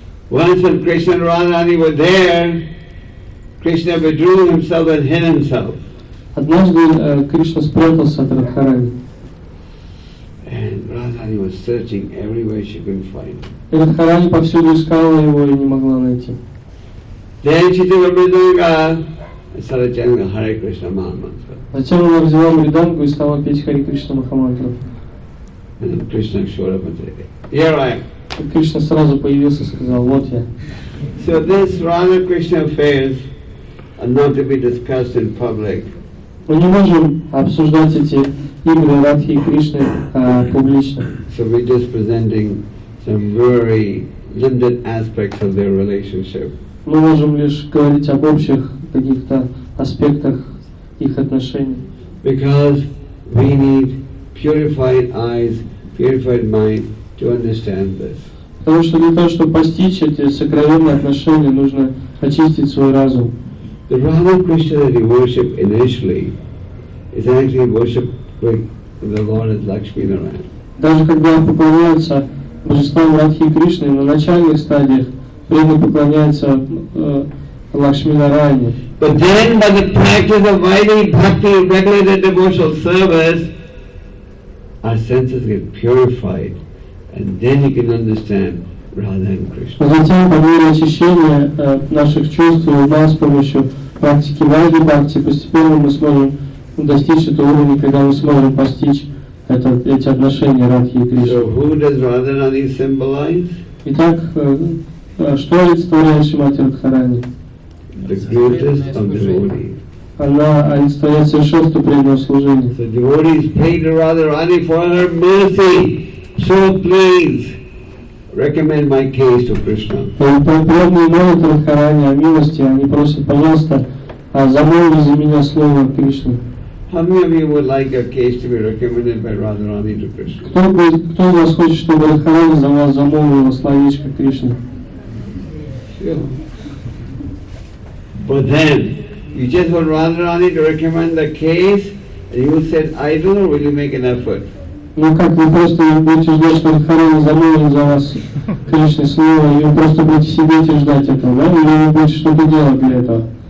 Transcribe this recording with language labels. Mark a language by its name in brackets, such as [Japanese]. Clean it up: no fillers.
[English] Once when Krishna and Radharani were there, Krishna withdrew himself and hid himself. [Russian] Однажды Кришна спрятался от Радхарани. [English] Radharani was searching everywhere she couldn't find. [Russian] И Радхарани повсюду искала его и не могла найти. [English] Then she took a мриданга and started chanting Hare Krishna Mahamantra. [Russian] Затем она взяла мридангу и стала петь Хари Кришна Махамантру. [English] And Krishna showed up and said, "Here I am." [Russian] Кришна сразу появился и сказал, вот я. [English] So this Radha Krishna affairs are not to be discussed in public. [Russian] Мы не можем обсуждать эти игры Радхи и Кришны публично. [English] So we're just presenting some very limited aspects of their relationship. [Russian] Мы можем лишь говорить об общих каких-то аспектах их отношений. [English] Because we need purified eyes, purified mind to understand this. [Russian] Потому что для того, чтобы постичь эти сокровенные отношения, нужно очистить свой разум. [English] The Radha Krishna that we worship initially is actually worship like the Lord at Lakshmi Narayan. [Russian] Даже когда поклоняются божествам Радхи и Кришны на начальных стадиях, преданный поклоняется Лакшми Нараяне. [English] But then, by the practice of Vaidhi Bhakti, regular devotional service, our senses get purified, and then you can understand Radha and Krishna. [Russian] Затем, по мере очищения наших чувств и ума с помощью практики Vaidhi Bhakti, постепенно мы сможем достичь этого уровня, когда мы сможем постичь эти отношения Радхи и Кришны. [English] So who does Radharani symbolize? [Russian] Итак, что олицетворяет Шримати Радхарани? [English] The greatest of devotees. [Russian] Она олицетворяет совершенство преданного служения. [English] So devotees pay to Radharani for her mercy. So please recommend my case to Krishna. [Russian] Преданные молят Радхарани о милости, они просят, пожалуйста, замолви за меня слово Кришны. [English] How many of you would like a case to be recommended by Radharani to Krishna? [Russian] Кто из вас хочет, чтобы Радхарани за вас замолвила словечко Кришне? [English] But then, you just want Radharani to recommend the case, and you said, "I do," or will you make an effort? [Russian] Ну как вы просто будете ждать, что Радхарани замолвит за вас Кришне слово, и вы просто будете сидеть и ждать этого, да? Или вы будете что-то делать для этого?